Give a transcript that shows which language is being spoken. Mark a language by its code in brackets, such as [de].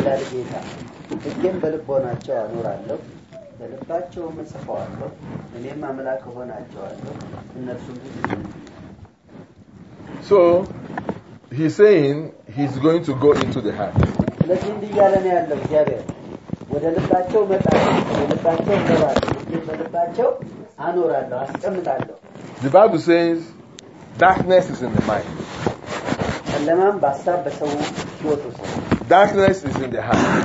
[am] ይላል ጌታ። ህግን በልቦናቸው አኖራለሁ በልባቸው መጽፈዋለሁ እኔም አምላክ ሆናቸዋለሁ እነርሱም [en] So he's saying he's going to go into the heart. [am] ለዚህ ይያለ ነው ያለው እግዚአብሔር ወደ ልባቸው መጣ ልባቸው ይገባል በልባቸው አኖራለሁ አስቀምጣለሁ [en] The Bible says darkness is in the mind. [am] ለማን ባሳብ በሰው ህይወት ውስጥ [en] Darkness is in the heart.